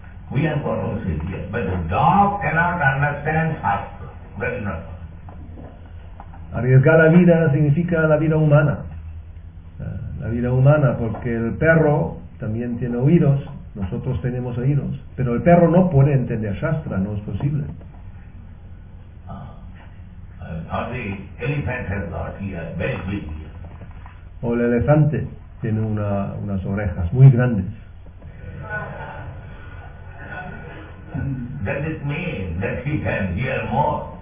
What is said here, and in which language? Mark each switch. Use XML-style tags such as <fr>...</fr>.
<en>We are going to see here. But the dog cannot understand Shastra. That is not possible.</en> <es>Arriesgar la vida significa la vida humana. La vida humana, porque el perro también tiene oídos, nosotros tenemos oídos. Pero el perro no puede entender Shastra, no es posible.</es> <en>Or the elephant has got ear, very big ear.</en> <es>O el elefante tiene unas orejas muy grandes.</es> <en>Does it mean that he can hear more?</en>